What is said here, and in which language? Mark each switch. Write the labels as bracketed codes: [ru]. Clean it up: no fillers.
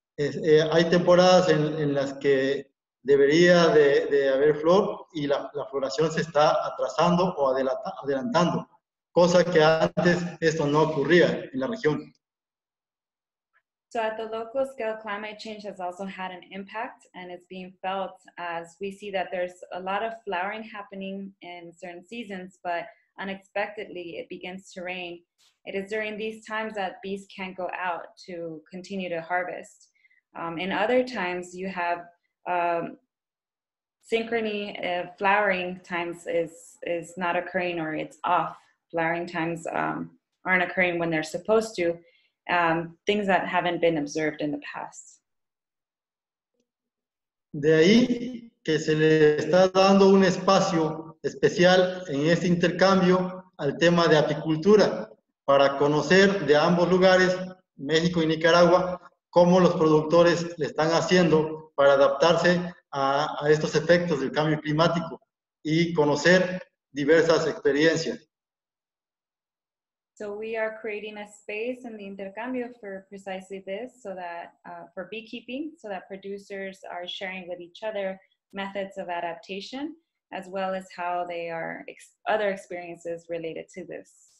[es] Hay temporadas en las que debería de haber flor y la floración se está atrasando o adelantando, cosa que antes esto no ocurría en la región. [en] So at the local scale, climate change has also had an impact and it's being felt as we see that there's a lot of flowering happening in certain seasons, but unexpectedly, it begins to rain. It is during these times that bees can't go out to continue to harvest. In other times, you have synchrony, flowering times is not occurring or it's off. Flowering times aren't occurring when they're supposed to. Things that haven't been observed in the past. [es] De ahí que se le está dando un espacio especial en este intercambio al tema de apicultura, para conocer de ambos lugares, México y Nicaragua, cómo los productores le están haciendo para adaptarse a estos efectos del cambio climático y conocer diversas experiencias. [en] So we are creating a space in the intercambio for precisely this, so that for beekeeping, so that producers are sharing with each other methods of adaptation, as well as how they are other experiences related to this.